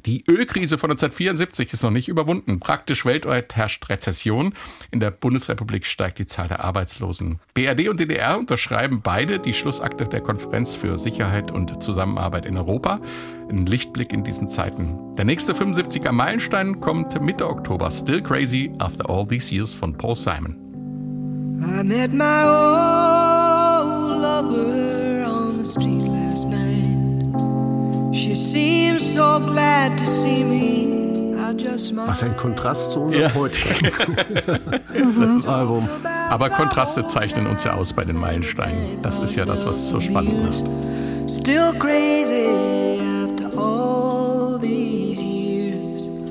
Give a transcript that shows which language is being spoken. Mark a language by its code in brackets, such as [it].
[de] Die Ölkrise von 1974 ist noch nicht überwunden. Praktisch weltweit herrscht Rezession. In der Bundesrepublik steigt die Zahl der Arbeitslosen. BRD und DDR unterschreiben beide die Schlussakte der Konferenz für Sicherheit und Zusammenarbeit in Europa. Ein Lichtblick in diesen Zeiten. Der nächste 75er Meilenstein kommt Mitte Oktober. Still Crazy After All These Years von Paul Simon. [en] I met my old lover on the street last night. She seems so glad to see me. [de] Was ein Kontrast zu unserem heutigen Album. Aber Kontraste zeichnen uns ja aus bei den Meilensteinen. Das ist ja das, was so spannend macht. [en] Still crazy. All these years.